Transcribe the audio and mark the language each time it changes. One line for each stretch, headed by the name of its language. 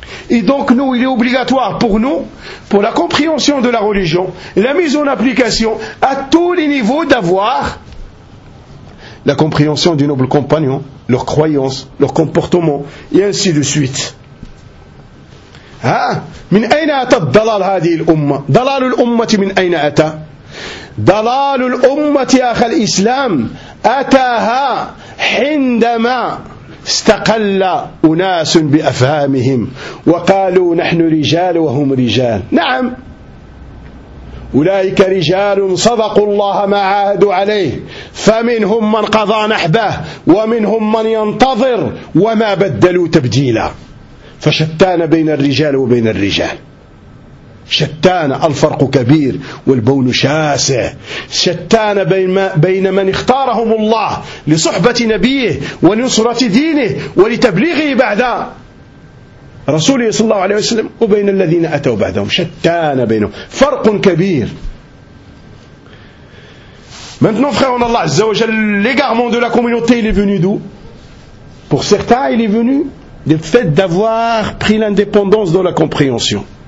French: Et donc nous, il est obligatoire pour nous, pour la compréhension de la religion, la mise en application à tous les niveaux, d'avoir la compréhension du noble compagnon, leurs croyances, leurs comportements, et ainsi de suite.
Arabic: من أين أتى الضلال هذه الأمة؟ ضلال الأمة من أين أتى؟ ضلال الأمة يا أخي الإسلام أتاها عندما استقل أناس بأفهامهم وقالوا نحن رجال وهم رجال. نعم، أولئك رجال صدقوا الله ما عاهدوا عليه، فمنهم من قضى نحبه ومنهم من ينتظر وما بدلوا تبديلا. فشتان بين الرجال وبين الرجال، شتان الفرق كبير والبون شاسع، شتان بين من اختارهم الله لصحبة نبيه ولنصرة دينه ولتبليغه بعد رسوله صلى الله عليه وسلم وبين الذين أتوا بعدهم، شتان بينهم، فرق كبير.
French: Maintenant frère, on Allah عز وجل l'égarement de la communauté il est venu d'où? Pour certains il est venu le fait d'avoir pris l'indépendance dans la compréhension.